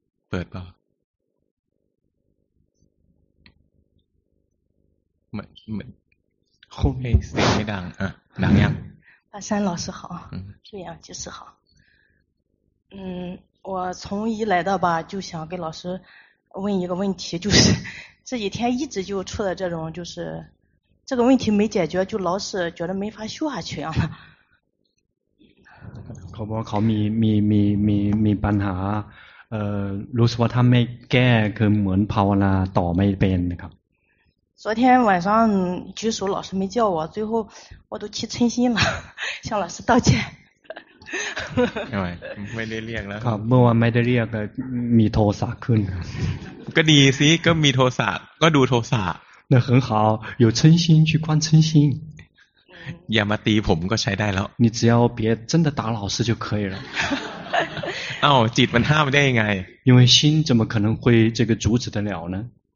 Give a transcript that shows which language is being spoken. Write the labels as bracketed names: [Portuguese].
[Thai] ปิดเปล่าไม่ไม่คงไม่เสียงไม่ดังอ่ะดังยัง [Chinese] 大山老师好，这样就是好。嗯，我从一来的吧，就想给老师问一个问题，就是这几天一直就出了这种，就是这个问题没解决，就老是觉得没法修下去啊。 [Thai] เขามีปัญหา รู้สึกว่าถ้าไม่แก้คือเหมือนภาวนาต่อไม่เป็นครับ [Chinese] 昨天晚上举手老师没叫我，最后我都起嗔心了，向老师道歉。 [Thai] ไม่ได้เรียกแล้ว ครับเมื่อวานไม่ได้เรียกมีโทสะขึ้น ก็ดีสิก็มีโทสะก็ดูโทสะ [Chinese] 那很好有嗔心去观嗔心 [Thai] อย่ามาตีผมก็ใช้ได้แล้ว [Chinese] 你只要别真的打老师就可以了 [Thai] อ้าวจิตมันห้ามได้ยังไง [Chinese] 因为心怎么可能会这个阻止得了呢